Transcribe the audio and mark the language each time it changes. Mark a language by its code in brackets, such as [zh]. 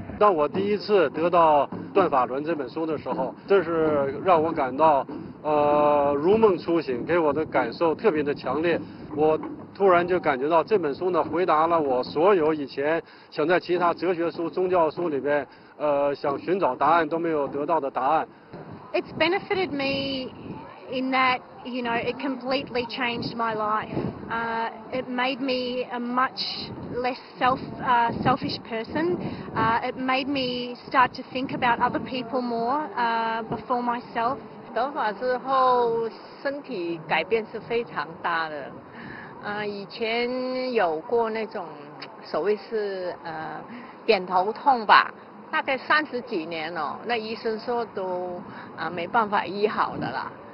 [zh] 当我第一次得到《断法轮》这本书的时候，这是让我感到，如梦初醒，给我的感受特别的强烈。我突然就感觉到这本书呢，回答了我所有以前想在其他哲学书、宗教书里边。想寻找答案都没有得到的答案。 [en] It's benefited me in that, you know, it completely changed my life. It made me a much less selfish person. It made me start to think about other people more, before myself. [zh] 得法之后，身体改变是非常大的。以前有过那种所谓是扁头痛吧。大概30几年了，那医生说都没办法医好的啦。